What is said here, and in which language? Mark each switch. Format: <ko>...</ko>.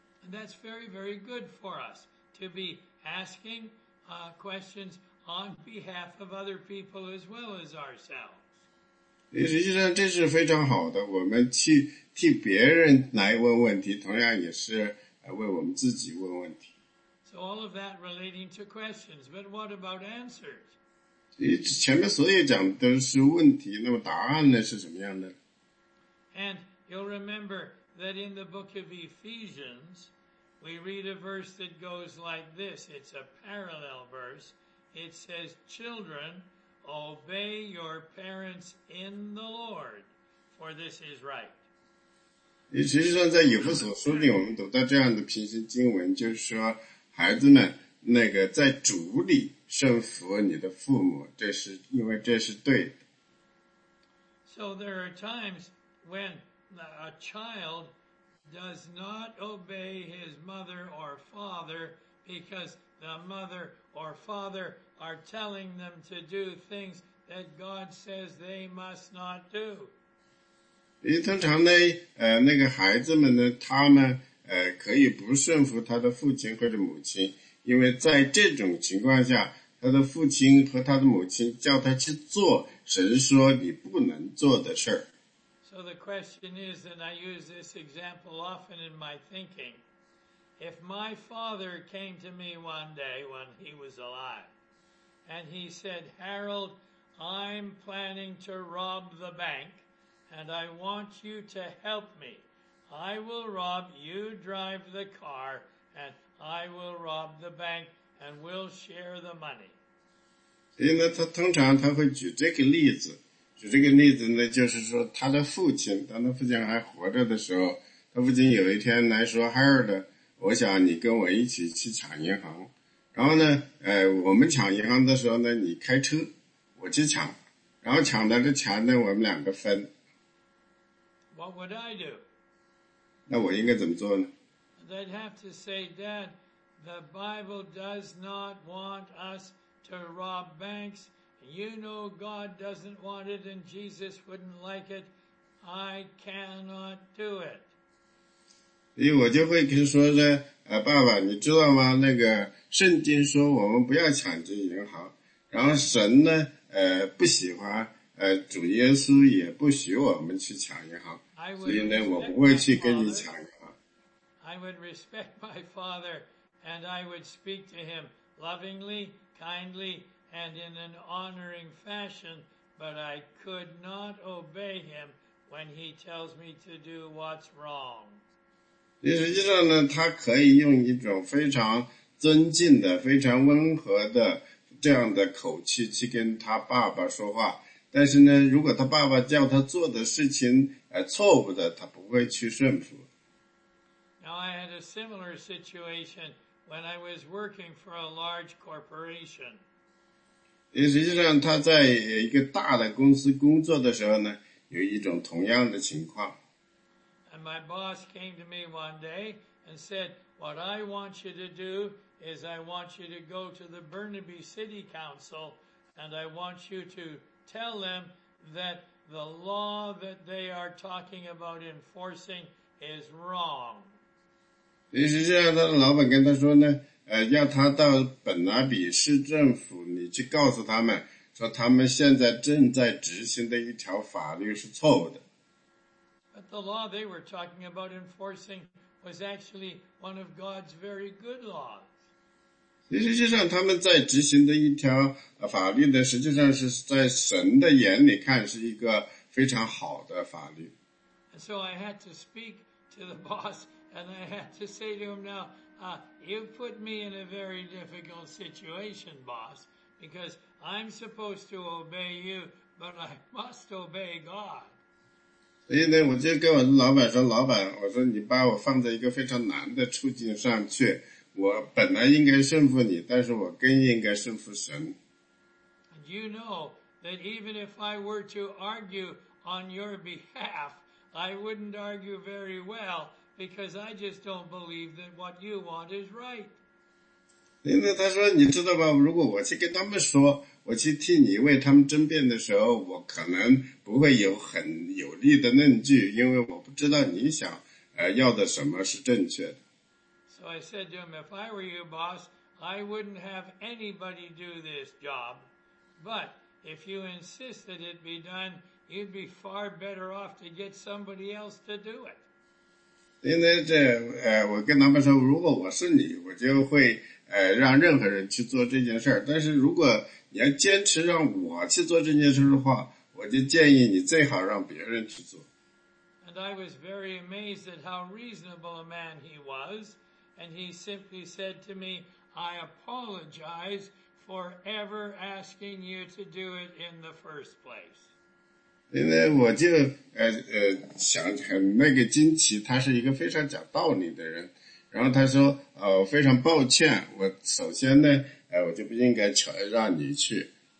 <en>And that's very, very good for us to be asking. Questions on behalf of other people as well as ourselves.</en> <zh>实际上这是非常好的，我们去替别人来问问题，同样也是为我们自己问问题。</zh> <en>So all of that relating to questions, but what about answers?</en> <zh>前面所有讲的都是问题，那么答案呢是什么样的？</zh> <en>And you'll remember that in the book of Ephesians, We read a verse that goes like this. It's a parallel verse. It says, children, obey your parents in the Lord, for this is right.</en> <zh>实际上在以弗所书里我们读到这样的平行经文，就是说孩子们，那个在主里顺服你的父母，这是因为这是对的。</zh> <en>So there are times when a child does not obey his mother or father because the mother or father are telling them to do things that God says they must not do.</en> <zh>因为通常呢，那个孩子们呢，他们可以不顺服他的父亲或者母亲，因为在这种情况下，他的父亲和他的母亲叫他去做神说你不能做的事儿。</zh> <en>So the question is, and I use this example often in my thinking, if my father came to me one day when he was alive, and he said, Harold, I'm planning to rob the bank, and I want you to help me. I will rob, you drive the car, and I will rob the bank, and we'll share the money.</en> <zh>所以呢，他通常他会举这个例子。举这个例子呢，就是说他的父亲，当他父亲还活着的时候，他父亲有一天来说 ，Harold， 我想你跟我一起去抢银行。然后呢，我们抢银行的时候呢，你开车，我去抢。然后抢到这钱呢，我们两个分。</zh> <en>What would I do？</en> <zh>那我应该怎么做呢</zh> <en>？They'd have to say, Dad, the Bible does not want us to rob banks. You know God doesn't want it and Jesus wouldn't like it. I cannot do it.</en> <zh>所以我就会跟说呢，爸爸，你知道吗？那个圣经说我们不要抢劫银行，然后神呢，不喜欢，主耶稣也不许我们去抢银行，所以呢，我不会去跟你抢银行。</zh> <en>I would respect my father, and I would speak to him lovingly, kindly. And in an honoring fashion, but I could not obey him when he tells me to do what's wrong.</en> <zh>实际上呢，他可以用一种非常尊敬的、非常温和的这样的口气去跟他爸爸说话。但是呢，如果他爸爸叫他做的事情错误的，他不会去顺服。</zh> <en>Now I had a similar situation when I was working for a large corporation.</en> <zh>因为实际上他在一个大的公司工作的时候呢，有一种同样的情况。</zh> <en>And my boss came to me one day and said, "What I want you to do is I want you to go to the Burnaby City Council and I want you to tell them that the law that they are talking about enforcing is wrong."</en> <zh>因为实际上他的老板跟他说呢。要他到本拿比市政府，你去告诉他们，说他们现在正在执行的一条法律是错误的。</zh> <en>But the law they were talking about enforcing was actually one of God's very good laws.</en> <zh>实际上他们在执行的一条法律呢，实际上是在神的眼里看是一个非常好的法律。</zh> <en>And so I had to speak to the boss, and I had to say to him now,you put me in a very difficult situation, boss, because I'm supposed to obey you, but I must obey God.</en> <zh>所以呢，我就跟我的老板说，老板，我说你把我放在一个非常难的处境上去，我本来应该顺服你，但是我更应该顺服神。</zh> <en>And you know that even if I were to argue on your behalf, I wouldn't argue very well. Because I just don't believe that what you want is right.</en> <zh>因为他说，你知道吧？如果我去跟他们说，我去替你为他们争辩的时候，我可能不会有很有力的论据，因为我不知道你想要的什么是正确的。</zh> <en>So I said to him, if I were you, boss, I wouldn't have anybody do this job. But if you insist that it be done, you'd be far better off to get somebody else to do it.</en> <zh>因为这我跟他们说，如果我是你，我就会让任何人去做这件事儿。但是如果你要坚持让我去做这件事的话，我就建议你最好让别人去做。</zh> <en>And I was very amazed at how reasonable a man he was, and he simply said to me, "I apologize for for ever asking you to do it in the first place.</en> <zh>因为我就想很那个惊奇，他是一个非常讲道理的人，然后他说非常抱歉，我首先呢我就不应该让你去。</zh>